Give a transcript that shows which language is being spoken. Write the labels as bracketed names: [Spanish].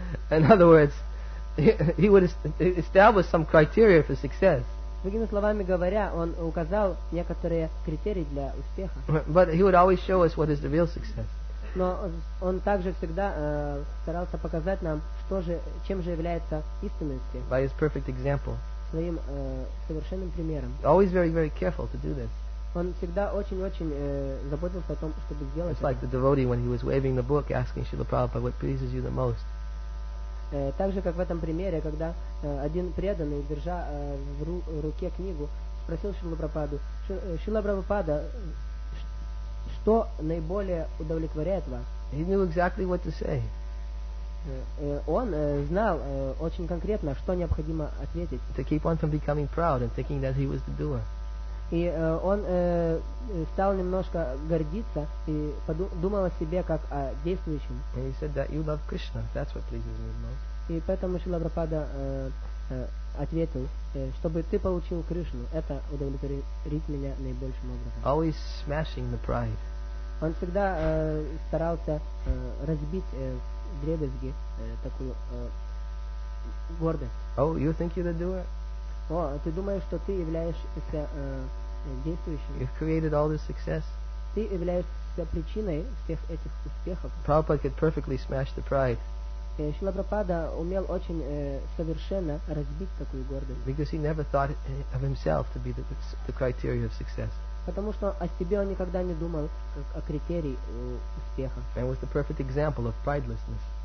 [English] In other words, he would establish some criteria for success. [Russian] Другими словами говоря, он указал некоторые критерии для успеха. [English] But he would always show us what is the real success. [Russian] Но он также всегда старался показать нам, что же, чем же является истинность. [English] By his perfect example. [Russian] Своим совершенным примером. [English] Always very, very careful to do this. [Russian] Он всегда очень-очень заботился о том, чтобы сделать. [English] It's like the devotee when he was waving the book, asking Srila Prabhupada, "What pleases you the most?" [Russian] Так же, как в этом примере, когда один преданный, держа в руке книгу, спросил Шрила Прабхупаду, Шрила Прабхупада, Что наиболее удовлетворяет вас? [English] He knew exactly what to say. [Russian] Он знал очень конкретно, что необходимо ответить. [English] To keep on from becoming proud and thinking that he was the doer. [Russian] И он стал немножко гордиться и думал о себе как о действующем. [English] And he said that you love Krishna. That's what pleases me most. [Russian] И поэтому Шрила Прабхупада ответил, чтобы ты получил Кришну, это удовлетворит меня наибольшим образом. [English] Always smashing the pride. [Russian] Он всегда старался разбить вдребезги такую гордость. [English] Oh, you think you're the doer? [Russian] О, ты думаешь, что ты являешься действующим? [English] You've created all this success. [Russian] Ты являешься причиной всех этих успехов. [English] Prabhupada could perfectly smash the pride. [Russian] Шрила Прабхупада умел очень совершенно разбить такую гордость. [English] Because he never thought of himself to be the criteria of success. [Russian] Потому что о себе он никогда не думал как о критерии успеха. [English] And was the perfect example of pridelessness.